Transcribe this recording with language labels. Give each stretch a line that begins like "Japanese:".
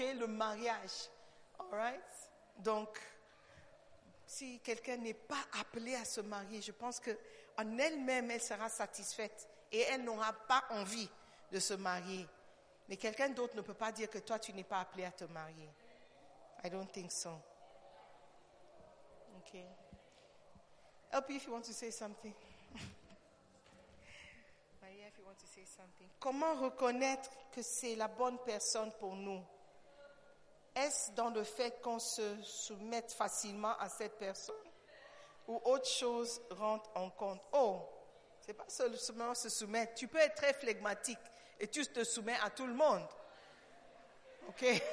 French: Le mariage.
English: All right?
French: Donc, si quelqu'un n'est pas appelé à se marier, je pense qu'en elle-même, elle sera satisfaite et elle n'aura pas envie de se marier. Mais quelqu'un d'autre ne peut pas dire que toi, tu n'es pas appelé à te marier.
English: I don't think so. OK? LP, if you want to say something. Maria, if you want to say something.
French: Comment reconnaître que c'est la bonne personne pour nous? Est-ce dans le fait qu'on se soumette facilement à cette personne ou autre chose rentre en compte? Oh, c'est pas seulement se soumettre. Tu peux être très flegmatique et tu te soumets à tout le monde. OK?